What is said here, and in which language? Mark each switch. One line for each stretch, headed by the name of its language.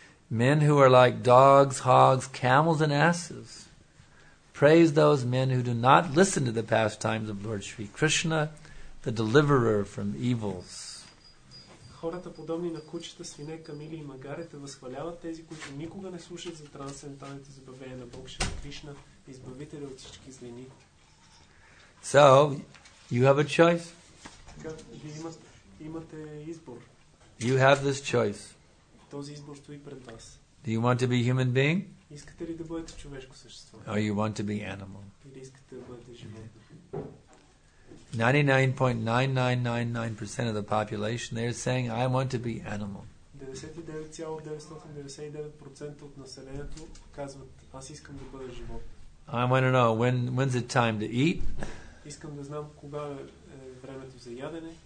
English: Men who are like dogs, hogs, camels and asses, praise those men who do not listen to the pastimes of Lord Shri Krishna, the deliverer from evils.
Bulgarian: Хората, подобни на кучета, свине, камили и магарите, възхваляват тези, които никога не слушат за трансценденталните забавления на Бог Шри Кришна, избавителя от всички злини.
English: So, you have a choice.
Bulgarian: Така, вие имате избор.
English: You have this choice.
Bulgarian: Този избор стои пред вас.
English: Do you want to be a human being?
Bulgarian: Искате ли да бъдете човешко същество?
English: Or you want to be animal?
Bulgarian: Или искате да бъдете животно?
English: 99.9999% of the population, they're saying, I want to be animal.
Bulgarian: 99.999% от населението казват, аз искам да бъда животно.
English: I want to know, when's it time to eat?
Bulgarian: Искам да знам кога е времето за ядене.